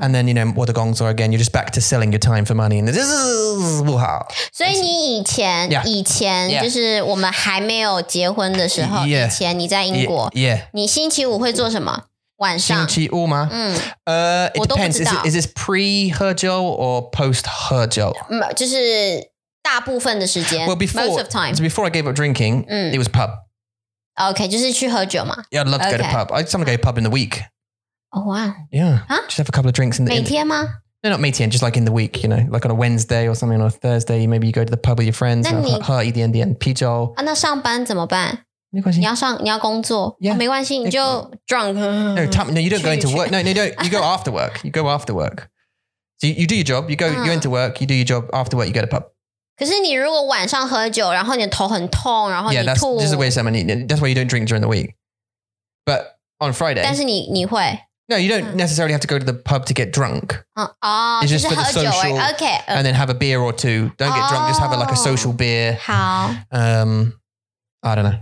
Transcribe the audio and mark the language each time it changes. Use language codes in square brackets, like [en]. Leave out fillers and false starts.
[en] And then, you know, [zh] 我的工作 [en] again, you're just back to selling your time for money. And this is [zh] 不好。所以你以前、 [en] yeah. [zh] 以前就是我们还没有结婚的时候、 [en] yeah. [zh] 以前你在英国。 [en] Yeah. [zh] 你星期五会做什么晚上。星期五吗 [en] it depends. Is this pre-喝酒 or post-喝酒 [zh] 就是大部分的时间。 [en] Well, before, most of time. So before I gave up drinking, it was pub. [zh] Okay, 就是去喝酒嘛。 [en] Yeah, I'd love to go to pub. I'd sometimes go to pub in the week. Oh, wow. Yeah. Huh? Just have a couple of drinks in the... [zh] 每天吗? [en] No, not 每天, just like in the week, you know, like on a Wednesday or something, on a Thursday, maybe you go to the pub with your friends, [zh] 喝一点点啤酒。啊，那上班怎么办? 没关系。你要工作。 [en] Yeah. [zh] 没关系,你就 drunk. [en] No, you don't go into work. No, you go after work. You go after work. So you do your job, you go into work, you do your job, after work, you go to pub. [zh] 可是你如果晚上喝酒，然后你头很痛，然后你吐。 [en] Yeah, this is why some that's why you don't drink during the week. But on Friday. [zh] 但是你会。 [en] No, you don't necessarily have to go to the pub to get drunk. It's just for the social. Okay. And then have a beer or two. Don't get drunk. Just have like a social beer. [zh] 好。 [en] I don't know.